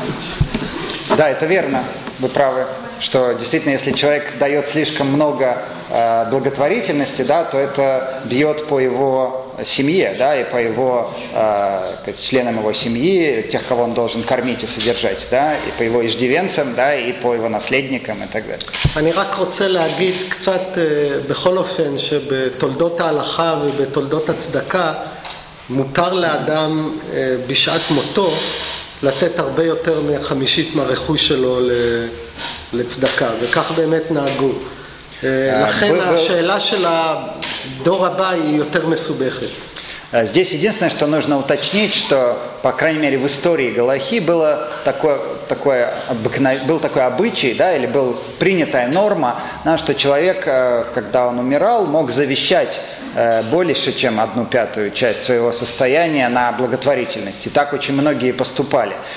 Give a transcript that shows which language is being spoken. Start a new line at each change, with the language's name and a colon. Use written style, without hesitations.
Hebrew: והיושים שלו זה נכון, זה נכון
Russian: что действительно, если человек дает слишком много благотворительности, да, то это бьет по его семье, да, и по его членам его семьи, тех, кого он должен кормить и содержать, да, и по его иждивенцам, да, и по его наследникам и так далее.
Hebrew: אני רק רוצה להגיד קצת בכל אופן שבתולדות ההלכה ובתולדות הצדקה מותר לאדם בשעת מותו לתת הרבה יותר מחמישית מהרכוש שלו לצדקה, וכך באמת נהגו. לכן השאלה של הדור הבא היא יותר מסובכת.
Russian: Здесь единственное, что нужно уточнить, что, по крайней мере, в истории Галахи было такое обычай, да, или была принятая норма, да, что человек, когда он умирал, мог завещать больше, чем 1/5 часть своего состояния на благотворительность. И так очень многие поступали.